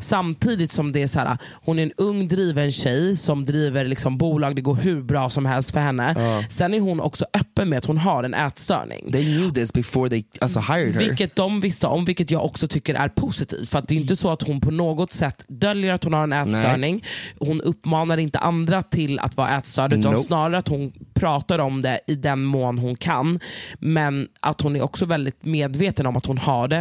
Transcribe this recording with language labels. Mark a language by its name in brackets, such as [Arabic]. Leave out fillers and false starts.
[Swedish] Samtidigt som det är så här, hon är en ung driven tjej som driver liksom bolag, det går hur bra som helst för henne. Ja. Sen är hon också öppen med att hon har en ätstörning. [English] They knew this before they also hired her. [Swedish] Vilket de visste om, vilket jag också tycker är positivt. För att det är inte så att hon på något sätt döljer att hon har en ätstörning. Nej. Hon uppmanar inte andra till att vara ätstörd, utan snarare att hon pratar om det i den mån hon kan. Men att hon är också väldigt medveten om att hon har det.